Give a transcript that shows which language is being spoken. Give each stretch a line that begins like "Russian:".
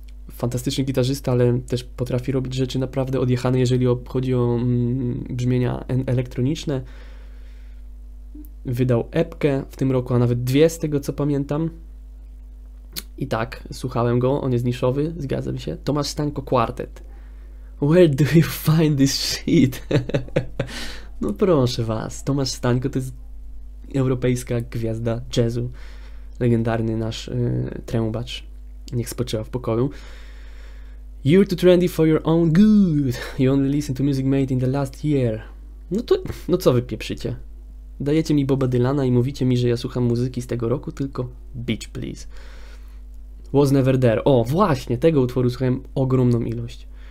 Polish: Fantastyczny gitarzysta, ale też potrafi robić rzeczy naprawdę odjechane, jeżeli chodzi o brzmienia elektroniczne. Wydał epkę w tym roku, a nawet dwie z tego co pamiętam. I tak, słuchałem go, on jest niszowy, zgadza mi się. Tomasz Stańko Quartet.
English: Where do you find this shit?
Polish: No proszę was, Tomasz Stańko to jest europejska gwiazda jazzu. Legendarny nasz trębacz. Niech spoczywa w pokoju.
English: You're too trendy for your own good. You only listen to music made in the last year.
Polish: No to, no co wy pieprzycie? Dajecie mi Boba Dylana i mówicie mi, że ja słucham muzyki z tego roku, tylko
English: bitch please. Was never there.
Polish: O, właśnie, tego utworu słuchałem ogromną ilość.